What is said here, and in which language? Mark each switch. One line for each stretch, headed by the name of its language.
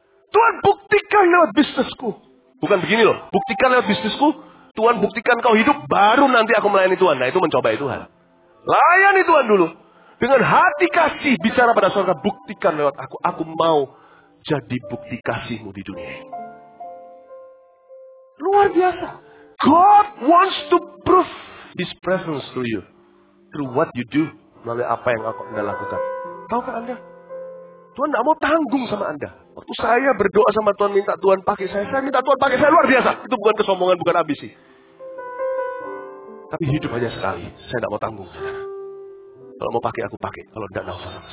Indonesian: Tuhan buktikan lewat bisnisku. Bukan begini loh, buktikan lewat bisnisku. Tuhan buktikan kau hidup, baru nanti aku melayani Tuhan. Nah itu mencobai Tuhan. Layani Tuhan dulu. Dengan hati kasih, bicara pada surga, buktikan lewat aku. Aku mau jadi bukti kasihmu di dunia. Luar biasa.
English: God wants to prove his presence to you. Through what you do,
Indonesian: melalui apa yang Anda lakukan. Taukah Anda? Tuhan tidak mau tanggung sama Anda. Waktu saya berdoa sama Tuhan, minta Tuhan pakai saya minta Tuhan pakai saya luar biasa. Itu bukan kesombongan, bukan ambisi. Tapi hidup hanya sekali. Saya tidak mau tanggung. Kalau mau pakai, aku pakai. Kalau tidak, tidak usah.